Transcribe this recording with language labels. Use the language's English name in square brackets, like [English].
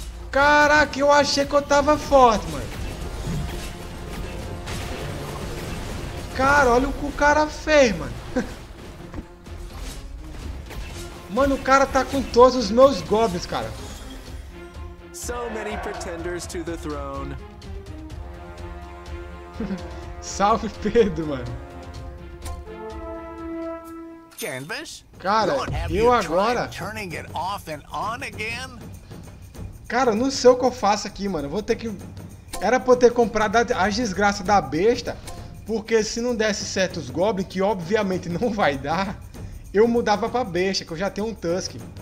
[Portuguese] Caraca, eu achei que eu tava forte, mano. Cara, olha o que o cara fez, mano. Mano, o cara tá com todos os meus goblins, cara. [English] So many pretenders to the throne. [Portuguese] Salve Pedro, mano. [English] Canvas? [Portuguese] Cara, eu agora. [English] Turning it off and on again? [Portuguese] Cara, não sei o que eu faço aqui, mano. Vou ter que. Era pra eu ter comprado as desgraças da besta. Porque se não desse certo os goblins, que obviamente não vai dar, eu mudava pra besta, que eu já tenho um Tusk.